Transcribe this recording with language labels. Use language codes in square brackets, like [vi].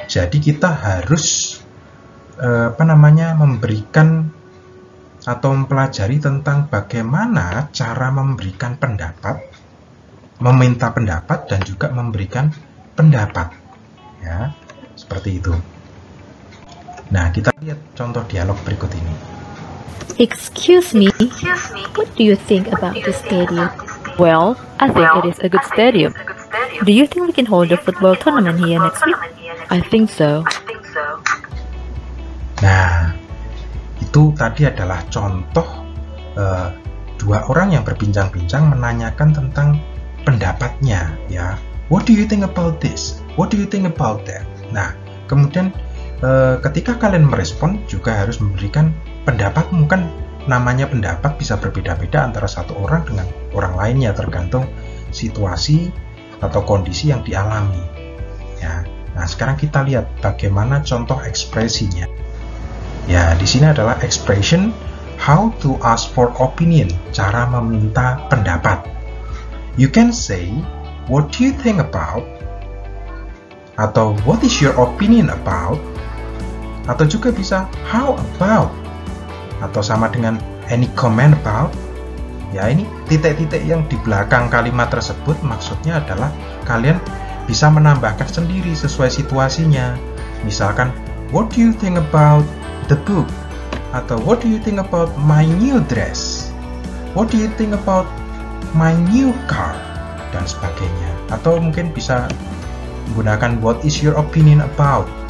[id] Jadi kita harus memberikan atau mempelajari tentang bagaimana cara memberikan pendapat, meminta pendapat dan juga memberikan pendapat ya, seperti itu. Nah, kita lihat contoh dialog berikut ini. [en] Excuse me, what do you think about this stadium? Well, I think it is a good stadium. Do you think we can hold a football tournament here next week? I think so. [id] Nah, itu tadi adalah contoh dua orang yang berbincang-bincang menanyakan tentang pendapatnya, ya. [en] What do you think about this? What do you think about that? [id] Nah, kemudian ketika kalian merespon juga harus memberikan pendapat, mungkin namanya pendapat bisa berbeda-beda antara satu orang dengan orang lainnya tergantung situasi atau kondisi yang dialami. Ya. Nah, sekarang kita lihat bagaimana contoh ekspresinya. Ya, di sini adalah [en] expression how to ask for opinion, [id] cara meminta pendapat. [en] You can say what do you think about, [id] atau [en] what is your opinion about, [id] atau juga bisa [en] how about, [id] atau sama dengan [en] any comment about. [id] Ya, ini titik-titik yang di belakang kalimat tersebut maksudnya adalah kalian bisa menambahkan sendiri sesuai situasinya. Misalkan, [en] what do you think about the book? [id] Atau [en] what do you think about my new dress? What do you think about my new car? [id] Dan sebagainya. Atau mungkin bisa menggunakan [en] what is your opinion about?